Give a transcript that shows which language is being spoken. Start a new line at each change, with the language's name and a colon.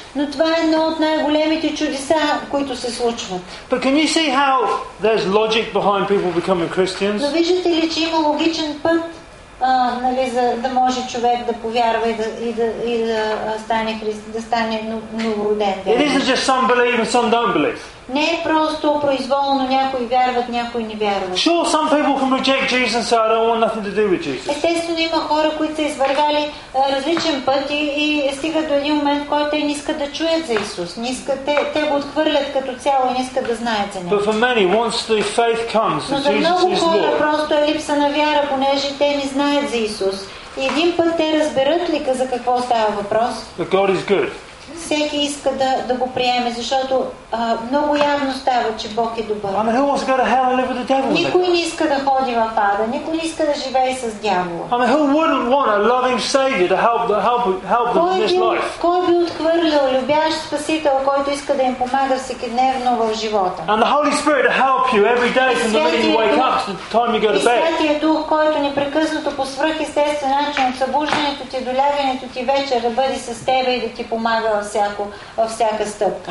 Bulgarian: Но това е едно от най-големите чудеса, които се случват.
English: But can you see how there's logic behind people becoming Christians?
Bulgarian: Но виждате ли, че има логичен път, нали, за да може човек да повярва и да стане новороден.
English: It isn't just some believe and some don't believe.
Bulgarian: Не е просто произволно, някои вярват, някои не вярват.
English: Sure, some people can reject Jesus and say, I don't want nothing to do with Jesus.
Bulgarian: Естествено, има хора, които са извървали различен път и стигат до един момент, който не искат да чуят за Исус. Не искат, те го отхвърлят като цяло и не искат да знаят за него.
English: But for many, once the faith comes,
Bulgarian: но за много хора просто е липса на вяра, понеже те не знаят за Исус. И един път те разберат ли за какво става въпрос.
English: But God is good.
Bulgarian: Всеки иска да го приеме, защото много явно става, че Бог е добър.
English: I mean, go to hell and live with the devil?
Bulgarian: Никой не иска да ходи в ада, никой не иска да живее с дявола.
English: I mean, who wouldn't want a loving savior to help them in this life?
Bulgarian: Кой би отхвърлил любящ спасител, който иска да им помага всекидневно в живота?
English: And the Holy Spirit to help you every day from the minute you wake up to the time you go to bed.
Bulgarian: Святия Дух, който непрекъснато по свръхестествен начин от събуждането ти до лягането ти вечер да бъде с тебе и да ти помага във всяка стъпка.